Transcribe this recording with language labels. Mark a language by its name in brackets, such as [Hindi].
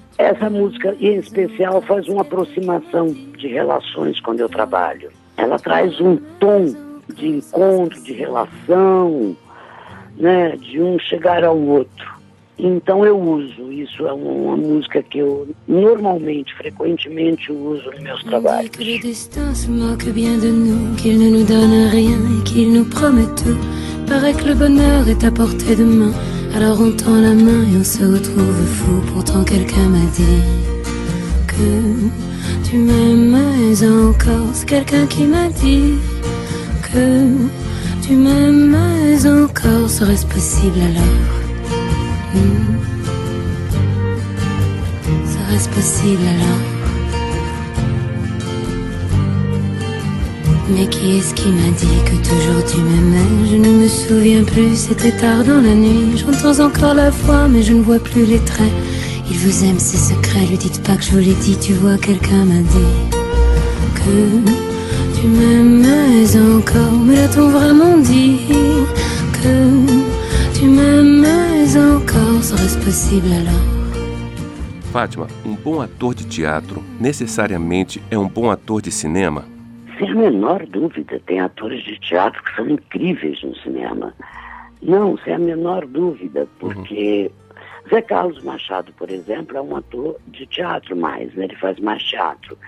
[Portuguese] Essa música, em especial, faz uma aproximação de relações quando eu trabalho. Ela traz um tom de encontro, de relação, né, de um chegar ao outro. Então eu uso, isso é uma música que eu normalmente, frequentemente uso nos meus trabalhos. Que distância [French] moque bien de nous, qu'il ne nous donne rien et qu'il nous promet tout. Paraît que le bonheur est à portée de main. Alors on tend la main et on se retrouve fou. Pourtant quelqu'un m'a dit que tu m'aimes encore. C'est quelqu'un qui m'a dit que tu m'aimes encore. Serait-ce possible alors? Serait-ce possible alors? Mais qui est-ce qui m'a dit que toujours tu m'aimais? Je ne me souviens plus, c'était tard dans la nuit. J'entends encore la voix, mais je ne vois plus les traits. Il vous aime, c'est secret, lui dites pas que je vous l'ai dit. Tu vois, quelqu'un m'a dit que tu m'aimais encore. Mais l'a-t-on vraiment dit que tu m'aimais encore? Serait-ce possible alors? [Portuguese] Fátima, um bom ator de teatro necessariamente é um bom ator de cinema? Sem a menor dúvida, tem atores de teatro que são incríveis no cinema. Não, sem a menor dúvida, porque Zé Carlos Machado, por exemplo, é um ator de teatro mais, né? Ele faz mais teatro.